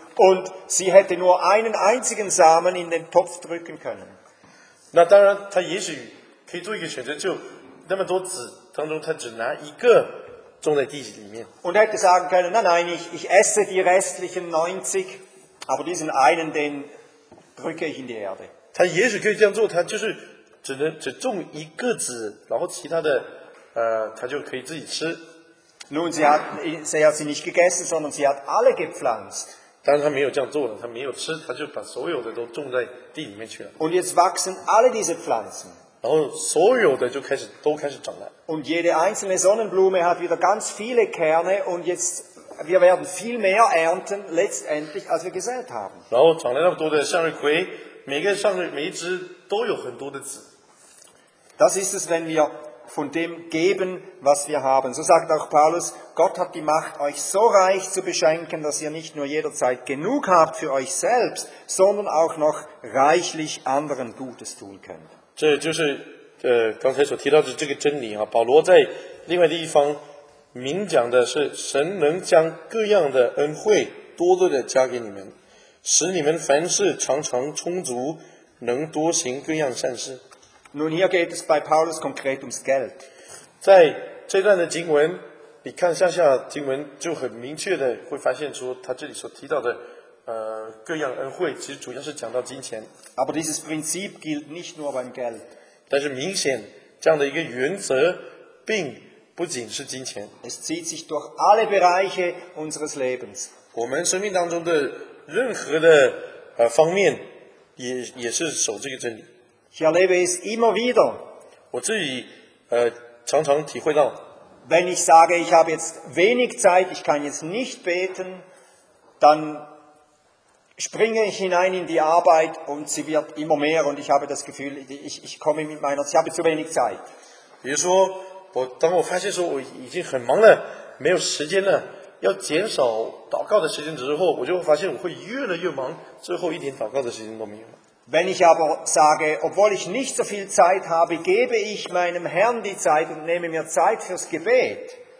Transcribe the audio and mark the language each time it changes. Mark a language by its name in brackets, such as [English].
[German] Und sie hätte nur einen einzigen Samen in den Topf drücken können. [Chinese] 那当然，她也许可以做一个选择，就那么多籽当中，她只拿一个种在地里面。 [German] Und hätte sagen können, nein, ich esse die restlichen 90, aber diesen einen, den drücke ich in die Erde. [Chinese] 她也许可以这样做，她就是只种一个籽，然后其他的，他就可以自己吃。 [German] Nun, sie hat sie nicht gegessen, sondern sie hat alle gepflanzt. [Chinese] 但是他没有这样做了，他没有吃，他就把所有的都种在地里面去了。 [German] Und jetzt wachsen alle diese Pflanzen. [Chinese] 然后所有的都开始长了。 [German] Und jede einzelne Sonnenblume hat wieder ganz viele Kerne, und jetzt wir werden viel mehr ernten letztendlich, als wir gesät haben. [Chinese] 然后长了那么多的向日葵，每一只都有很多的籽。 [German] Das ist es, wenn wir von dem geben, was wir haben. So sagt auch Paulus, Gott hat die Macht, euch so reich zu beschenken, dass ihr nicht nur jederzeit genug habt für euch selbst, sondern auch noch reichlich anderen Gutes tun könnt. [Chinese] 这就是刚才所提到的这个真理啊，保罗在另外的一方明讲的是神能将各样的恩惠多多的加给你们，使你们凡事常常充足，能多行各样善事。 [German] Nun hier geht es bei Paulus konkret ums Geld. [Chinese] 在这段的经文，你看向下经文就很明确的会发现出他这里所提到的各样恩惠，其实主要是讲到金钱。 [German] Aber dieses Prinzip gilt nicht nur beim Geld. [Chinese] 但是明显这样的一个原则并不仅是金钱。 [German] Es zieht sich durch alle Bereiche unseres Lebens. [Chinese] 我们生命当中的任何的方面也是守这个真理。 [German] Ich erlebe es immer wieder. [Chinese] 我自己常常体会到。 [German] Wenn ich sage, ich habe jetzt wenig Zeit, ich kann jetzt nicht beten, dann springe ich hinein in die Arbeit und sie wird immer mehr und ich habe das Gefühl, ich komme mit meiner, ich habe zu wenig Zeit. [Chinese] 比如说，当我发现说我已经很忙了，没有时间了，要减少祷告的时间之后，我就会发现我会越来越忙，最后一点祷告的时间都没有了。 [German] Wenn ich aber sage, obwohl ich nicht so viel Zeit habe, gebe ich meinem Herrn die Zeit und nehme mir Zeit fürs Gebet.